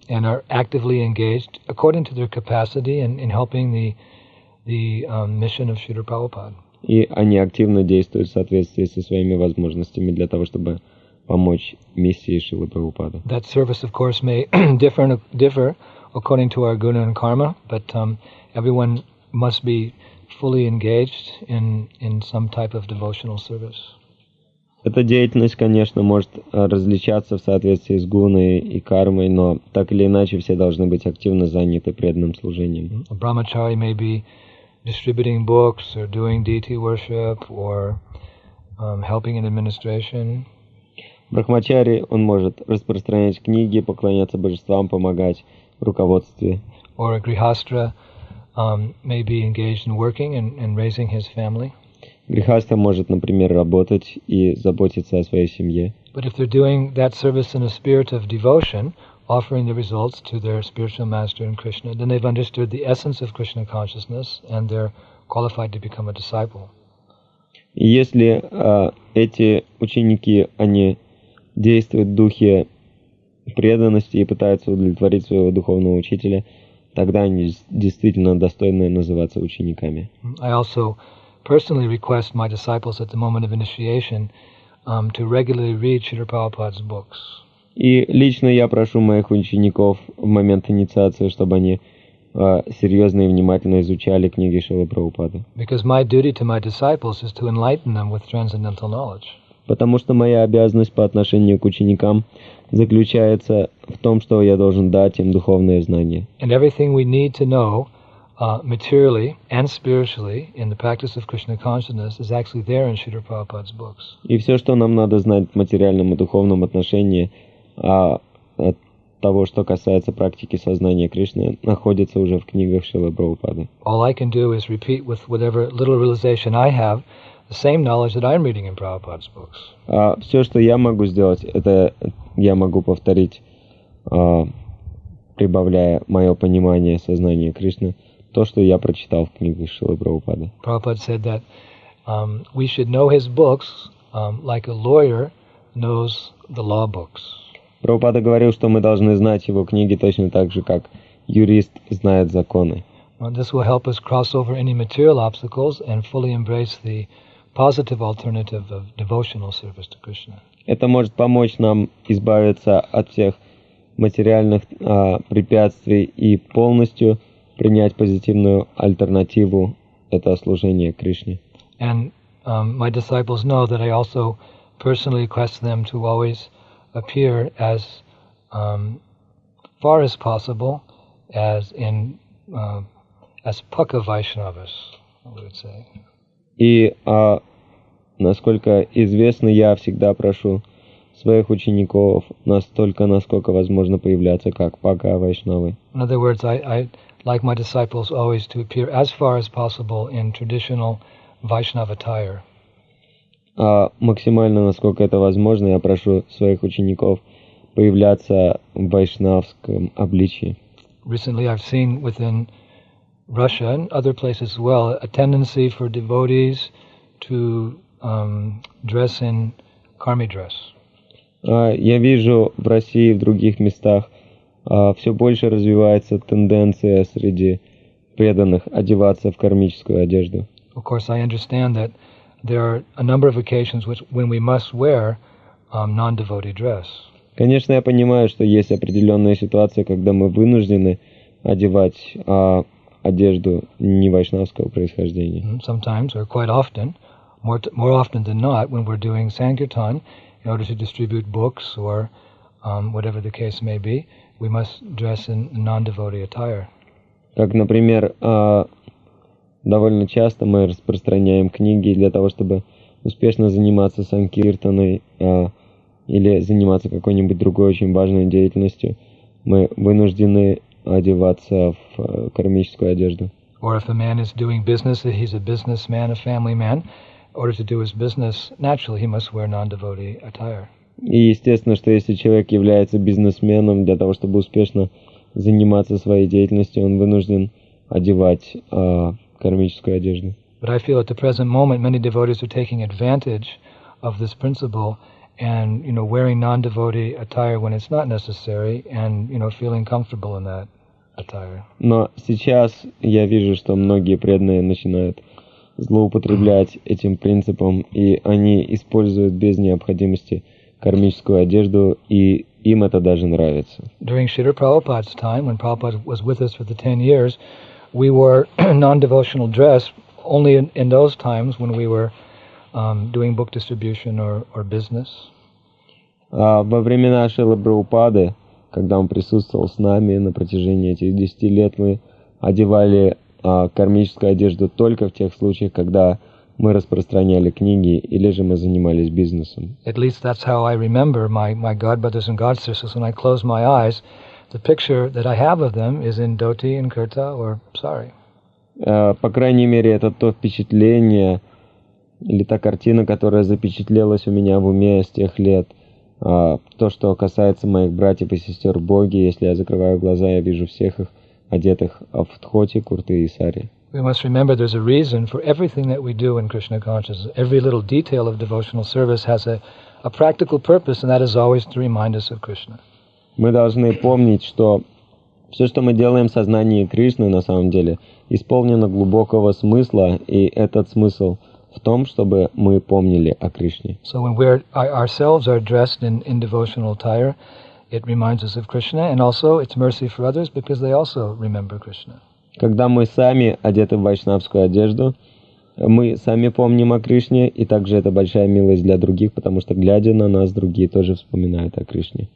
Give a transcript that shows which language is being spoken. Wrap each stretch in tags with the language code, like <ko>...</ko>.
<en>And are actively engaged according to their capacity in helping the mission of Śrīla Prabhupāda.</en> <ru>И они активно действуют в соответствии со своими возможностями для того, чтобы помочь миссии Шрилы Прабхупады.</ru> <en>That service, of course, may differ according to our guna and karma, but everyone must be fully engaged in some type of devotional service.</en> <ru>Эта деятельность, конечно, может различаться в соответствии с гуной и кармой, но так или иначе все должны быть активно заняты преданным служением.</ru> <en>A brahmachari may be distributing books or doing deity worship or helping in administration.</en> <ru>Брахмачари, он может распространять книги, поклоняться божествам, помогать в руководстве.</ru> <en>Or a grihastha may be engaged in working and raising his family.</en> <ru>Грихастха может, например, работать и заботиться о своей семье.</ru> <en>But if they're doing that service in a spirit of devotion, offering the results to their spiritual master in Krishna, then they've understood the essence of Krishna consciousness and they're qualified to become a disciple.</en> <ru>Если эти ученики, они действуют в духе преданности и пытаются удовлетворить своего духовного учителя, тогда они действительно достойны называться учениками.</ru> <en>I also personally request my disciples at the moment of initiation to regularly read Śrīla Prabhupāda's books.</en> <ru>И лично я прошу моих учеников в момент инициации, чтобы они серьезно и внимательно изучали книги Шрилы Прабхупады.</ru> <en>Because my duty to my disciples is to enlighten them with transcendental knowledge.</en> <ru>Потому что моя обязанность по отношению к ученикам заключается в том, что я должен дать им духовное знание.</ru> <en>And everything we need to know materially and spiritually in the practice of Krishna consciousness is actually there in Śrīla Prabhupāda's books.</en> <ru>И все, что нам надо знать в материальном и духовном отношении, от того, что касается практики сознания Кришны, находится уже в книгах Шрилы Прабхупады.</ru> <en>All I can do is repeat with whatever little realization I have the same knowledge that I'm reading in Prabhupada's books.</en> <ru>Все, что я могу сделать, это я могу повторить, прибавляя мое понимание сознания Кришны, то, что я прочитал в книгах Шрилы Прабхупады.</ru> <en>Prabhupada said that we should know his books like a lawyer knows the law books.</en> <ru>Прабхупада говорил, что мы должны знать его книги точно так же, как юрист знает законы.</ru> <en>This will help us cross over any material obstacles and fully embrace the positive alternative of devotional service to Krishna.</en> <ru>Это может помочь нам избавиться от всех материальных препятствий и полностью принять позитивную альтернативу это служение Кришне.</ru> <en>And my disciples know that I also personally request them to always appear as far as possible as in as pukka Vaishnavas, I would say.</en> <ru>И насколько известно, я всегда прошу своих учеников настолько, насколько возможно появляться, как пока вайшнавы.</ru> <en>In other words, I like my disciples always to appear as far as possible in traditional Vaishnava attire.</en> <ru>А максимально, насколько это возможно, я прошу своих учеников появляться в вайшнавском обличии.</ru> <en>Recently I've seen within Russia and other places as well a tendency for devotees to dress in karmi dress.</en> <ru>Я вижу в России и в других местах все больше развивается тенденция среди преданных одеваться в кармическую одежду.</ru> <en>Of course, I understand that there are a number of occasions which, when we must wear non-devotee dress.</en> <ru>Конечно, я понимаю, что есть определенная ситуация, когда мы вынуждены одевать одежду не вайшнавского происхождения.</ru> <en>Sometimes, or quite often, more often than not, when we're doing sankirtan, in order to distribute books or whatever the case may be, we must dress in non-devotee attire.</en> <ru>Как, например, довольно часто мы распространяем книги для того, чтобы успешно заниматься санкиртаной или заниматься какой-нибудь другой очень важной деятельностью. Мы вынуждены одеваться в кармическую одежду.</ru> <en>Or if a man is doing business, that he's a businessman, a family man, in order to do his business, naturally he must wear non-devotee attire.</en> <ru>И естественно, что если человек является бизнесменом, для того, чтобы успешно заниматься своей деятельностью, он вынужден одевать кармическую одежду.</ru> <en>But I feel at the present moment many devotees are taking advantage of this principle and, you know, wearing non-devotee attire when it's not necessary and, you know, feeling comfortable in that attire.</en> <ru>Но сейчас я вижу, что многие преданные начинают злоупотреблять этим принципом, и они используют без необходимости кармическую одежду, и им это даже нравится.</ru> <en>During Śrīla Prabhupāda's time, when Prabhupāda was with us for the 10 years, we wore non-devotional dress only in those times when we were doing book distribution or business.</en> <ru>Во времена Шрилы Прабхупады, когда он присутствовал с нами на протяжении этих 10 лет, мы одевали кармическую одежду только в тех случаях, когда мы распространяли книги или же мы занимались бизнесом.</ru> <en>At least that's how I remember my godbrothers and godsisters. When I close my eyes, the picture that I have of them is in dhoti and kurta or sari.</en> <ru>По крайней мере, это то впечатление или та картина, которая запечатлелась у меня в уме с тех лет. То, что касается моих братьев и сестер Боги, если я закрываю глаза, я вижу всех их одетых в дхоти, курты и сари.</ru> <en>We must remember there's a reason for everything that we do in Krishna consciousness. Every little detail of devotional service has a practical purpose, and that is always to remind us of Krishna.</en> <ru>Мы должны помнить, что все, что мы делаем в сознании Кришны, на самом деле, исполнено глубокого смысла, и этот смысл в том, чтобы мы помнили о Кришне.</ru> <en>So when we ourselves are dressed in devotional attire, it reminds us of Krishna, and also it's mercy for others because they also remember Krishna.</en> <ru>Когда мы сами одеты в вайшнавскую одежду, мы сами помним о Кришне, и также это большая милость для других, потому что, глядя на нас, другие тоже вспоминают о Кришне.</ru>